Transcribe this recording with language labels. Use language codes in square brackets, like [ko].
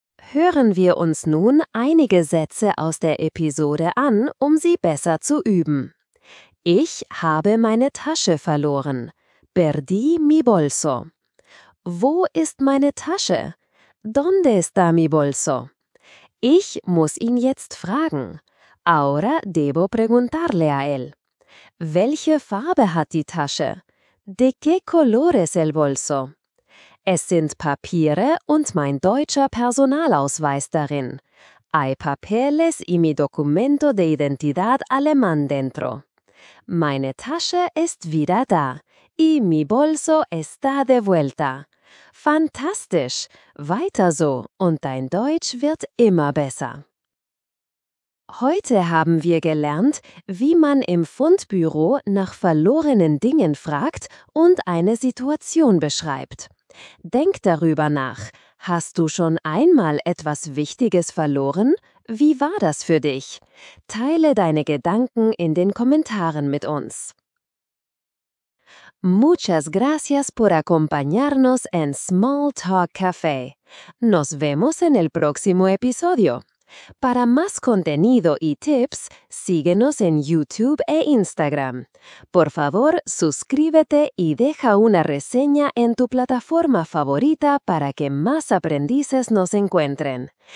[de] Hören wir uns nun einige Sätze aus der Episode an, um sie besser zu üben. Ich habe meine Tasche verloren. [es] Perdí mi bolso. [de] Wo ist meine Tasche? [es] ¿Dónde está mi bolso? [de] Ich muss ihn jetzt fragen. [es] Ahora debo preguntarle a él. [de] Welche Farbe hat die Tasche? [es] ¿De qué color es el bolso? [de] Es sind Papiere und mein deutscher Personalausweis darin. [es] Hay papeles y mi documento de identidad alemán dentro. [de] Meine Tasche ist wieder da. [es] Y mi bolso está de vuelta. [de] Fantastisch! Weiter so und dein Deutsch wird immer besser. Heute haben wir gelernt, wie man im Fundbüro nach verlorenen Dingen fragt und eine Situation beschreibt. Denk darüber nach. Hast du schon einmal etwas Wichtiges verloren? Wie war das für dich? Teile deine Gedanken in den Kommentaren mit uns. [es] Muchas gracias por acompañarnos en Small Talk Café. Nos vemos en el próximo episodio. Para más contenido y tips, síguenos en YouTube e Instagram. Por favor, suscríbete y deja una reseña en tu plataforma favorita para que más aprendices nos encuentren.